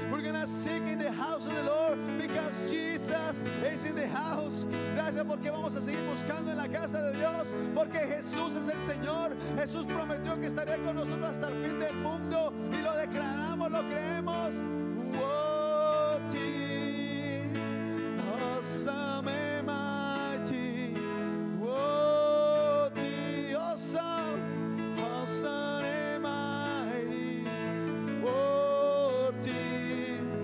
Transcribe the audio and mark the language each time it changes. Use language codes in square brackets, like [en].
[en] We're gonna seek in the house of the Lord because Jesus is in the house. [es] Gracias porque vamos a seguir buscando en la casa de Dios porque Jesús es el Señor. Jesús prometió que estaría con nosotros hasta el fin del mundo y lo declaramos, lo creemos. Whoa. [en] Awesome and mighty, worthy, awesome, awesome and mighty, worthy.